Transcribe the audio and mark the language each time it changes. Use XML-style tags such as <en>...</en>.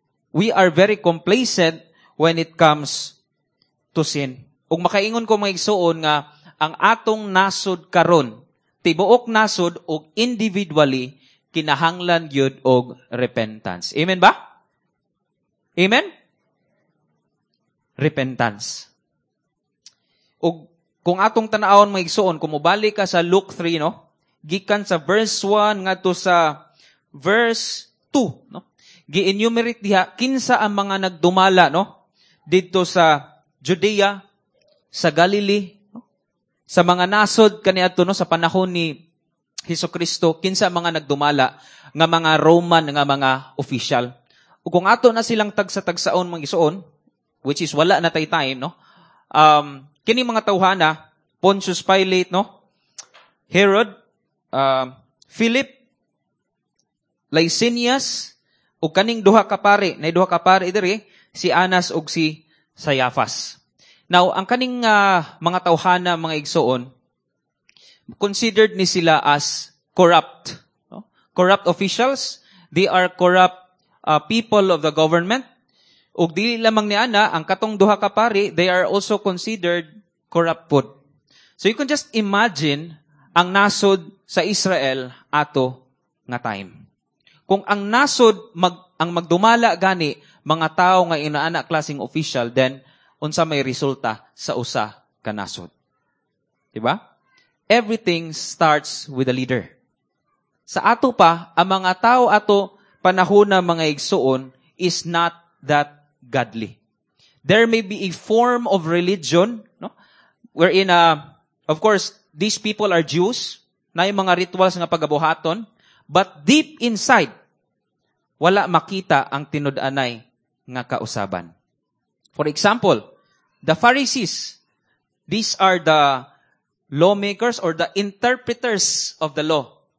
<en>We are very complacent when it comes to sin.</en> <ceb>Ug makaingon ko mga igsuon nga ang atong nasod karon, tibuok nasod ug individually kinahanglan gyud og repentance. Amen ba? Amen? Repentance. O kung atong tanaon may igsuon, kumubali ka sa Luke 3, no? Gikan sa verse 1 ngadto sa verse 2, no? Gi-enumerate diha kinsa ang mga nagdumala, no? Dito sa Judea, sa Galilee, no? Sa mga nasod kaniadto, no, sa panahon ni Hesukristo, kinsa ang mga nagdumala nga mga Roman nga mga official. O kung ato na silang tagsa-tagsaon mga igsuon, which is wala na tay time, no? Kini mga tawhana, Pontius Pilate, no? Herod, Philip, Licinius, o kaning duha kapare, na duha kapare diri, si Anas o si Caiaphas. Now, ang kaning mga tawhana, mga igsoon, considered ni sila as corrupt. No?</ceb> <en>Corrupt officials, they are corrupt people of the government.</en> <ceb>Ug dili lamang ni ana ang katong duha ka pari,</ceb> <en>they are also considered corrupted. So you can just imagine</en> <ceb>ang nasod sa Israel ato nga time. Kung ang nasod ang magdumala gani mga tao nga inaana klaseng official, then unsa may resulta sa usa ka nasod? Diba?</ceb> <en>Everything starts with a leader.</en> <ceb>Sa ato pa ang mga tao ato panahuna mga igsuon</ceb> <en>is not that godly. There may be a form of religion, no? Wherein, of course, these people are Jews,</en> <ceb>na yung mga rituals nga pagabuhaton,</ceb> <en>but deep inside,</en> <ceb>wala makita ang tinud-anay nga kausaban.</ceb> <en>For example, the Pharisees, these are the lawmakers or the interpreters of the law.</en>